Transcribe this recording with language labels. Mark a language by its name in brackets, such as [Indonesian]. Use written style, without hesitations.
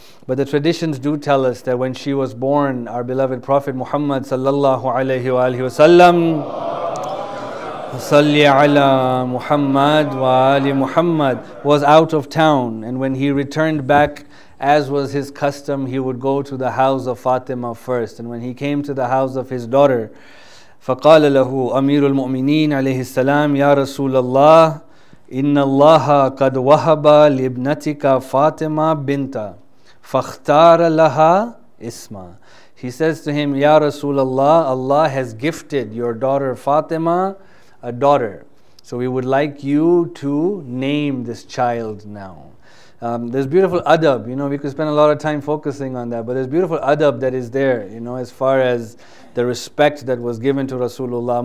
[English] But the traditions do tell us that when she was born, our beloved Prophet Muhammad sallallahu alayhi wa alihi wa sallam, salli ala Muhammad wa ali Muhammad, was out of town. And when he returned back as was his custom, he would go to the house of Fatima first. And when he came to the house of his daughter, [Arabic] فَقَالَ لَهُ أَمِيرُ الْمُؤْمِنِينَ عَلَيْهِ السَّلَامُ يَا رَسُولَ اللَّهِ إِنَّ اللَّهَ قَدْ وَهَبَ لِبْنَتِكَ فَاطِمَ بِنْتَ فَاخْتَارَ لَهَا إِسْمَ. [English] He says to him, Ya Rasulullah, Allah has gifted your daughter Fatima a daughter. So we would like you to name this child now. There's beautiful adab, you know, we could spend a lot of time focusing on that, but there's beautiful adab that is there, you know, as far as the respect that was given to Rasulullah.